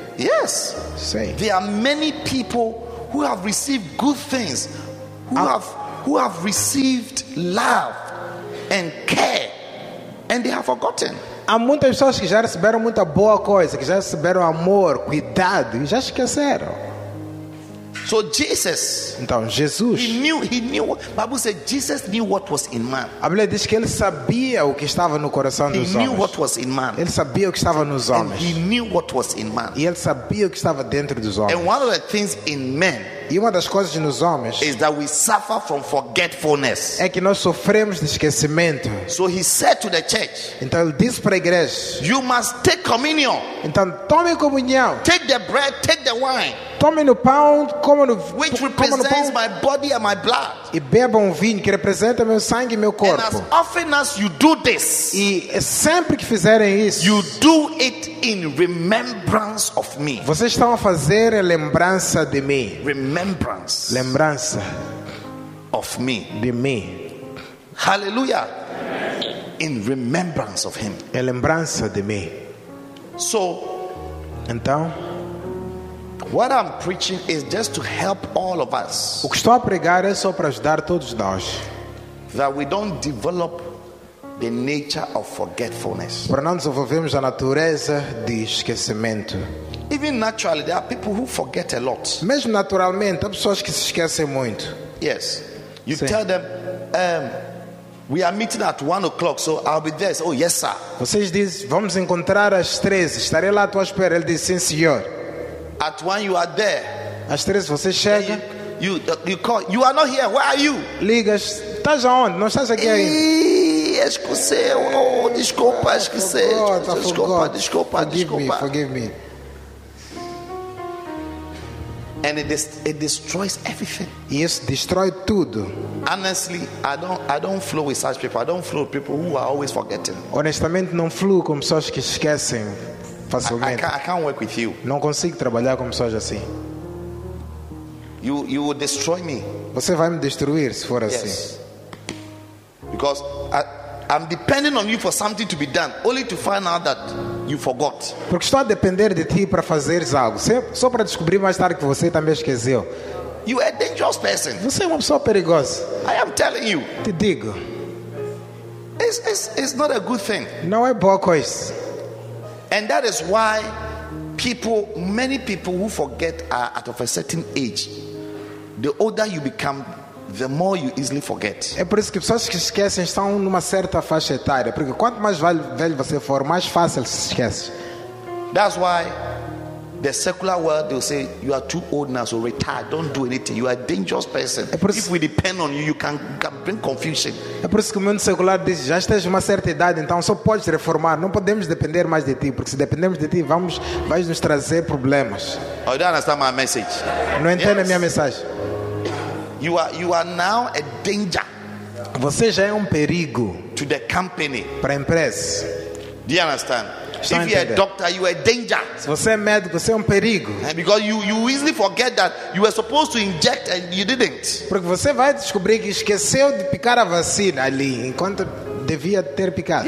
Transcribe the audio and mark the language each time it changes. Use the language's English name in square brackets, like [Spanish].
[English] Yes. [Portuguese] Sim. [English] There are many people who have received good things, who have received love and care, and they have forgotten. [Portuguese] Há muitas pessoas que já receberam muita boa coisa, que já receberam amor, cuidado, e já esqueceram. [English] So Jesus, [Portuguese] então Jesus, [English] he knew. Bible says Jesus knew what was in man. [Portuguese] A Bíblia diz que ele sabia o que estava no coração dos homens. [English] He knew what was in man. [Portuguese] Ele sabia o que estava nos homens. [English] And he knew what was in man. [Portuguese] E ele sabia o que estava dentro dos homens. [English] And one of the things in men, [Portuguese] e uma das coisas nos homens, [English] is that we suffer from forgetfulness. [Portuguese] É que nós sofremos de esquecimento. [English] So he said to the church, [Portuguese] então ele disse para a igreja, [English] you must take communion. [Portuguese] Então tome comunhão. [English] Take the bread, take the wine. [Portuguese] Tomem no pão, comam no, [English] which represents my body and my blood. [Portuguese] E bebam um vinho que representa meu sangue e meu corpo. [English] And as often as you do this, [Portuguese] e sempre que fizerem isso, [English] you do it in remembrance of me. [Portuguese] Vocês estão a fazer a lembrança de mim. [English] Remembrance. [Portuguese] Lembrança [English] of me. [Portuguese] De mim. [English] Hallelujah. In remembrance of him. [Portuguese] A lembrança de mim. [English] So, [Portuguese] então, [English] what I'm preaching is just to help all of us. [Portuguese] O que estou a pregar é só para ajudar todos nós. [English] That we don't develop the nature of forgetfulness. [Portuguese] Para não desenvolvermos a natureza de esquecimento. [English] Even naturally, there are people who forget a lot. [Portuguese] Mesmo naturalmente, há pessoas que se esquecem muito. [English] Yes. You Sim. tell them, we are meeting at 1 o'clock, so I'll be there. Oh, yes, sir. [Portuguese] Vocês dizem, vamos encontrar às 13. Estarei lá à tua espera. Ele diz, sim, senhor. [English] At 1 you are there. [Portuguese] Às 13 você chega. [English] You call. You are not here. Where are you? [Portuguese] Ligas. Estás aonde? Não estás aqui ainda. Esqueceu. Oh, desculpa, esqueceu. Desculpa. [English] Forgive me. And it destroys everything. Yes, destroy tudo. Honestly, I don't flow with such people. I don't flow with people who are always forgetting. [Portuguese] Honestamente, não fluo com pessoas que esquecem facilmente. [English] I can't work with you. [Portuguese] Não consigo trabalhar com pessoas assim. [English] You will destroy me. [Portuguese] Você vai me destruir se for assim. [English] Because I'm depending on you for something to be done, only to find out that you forgot. [Portuguese] Porque estou a depender de ti para fazeres algo, só para descobrir mais tarde que você também esqueceu. [English] You are a dangerous person. [Portuguese] Você é uma pessoa perigosa. [English] I am telling you. [Portuguese] Te digo. [English] It's not a good thing. [Portuguese] Não é boa coisa. [English] And that is why people, many people who forget are at of a certain age. The older you become, the more you easily forget. [Portuguese] É por isso que pessoas que esquecem estão numa certa faixa etária, porque quanto mais velho você for, mais fácil se esquece. [English] That's why the secular world, they'll say you are too old now, so retire, don't do anything. You are a dangerous person. If we depend on you, you can bring confusion. [Portuguese] É por isso que o mundo secular diz, já estás numa certa idade, então só podes reformar. Não podemos depender mais de ti, porque se dependemos de ti, vais nos trazer problemas. [English] Oh, you don't understand my message? [Portuguese] Não entende a minha mensagem. [English] You are now a danger. [Portuguese] Você já é perigo [English] to the company. [Portuguese] Para a empresa. [English] Do you understand? [Portuguese] Estão [English] if you're a doctor, you are a danger. [Portuguese] Se você é médico, você é perigo. [English] And because you easily forget that you were supposed to inject and you didn't. [Portuguese] Porque você vai descobrir que esqueceu de picar a vacina ali enquanto devia ter picado.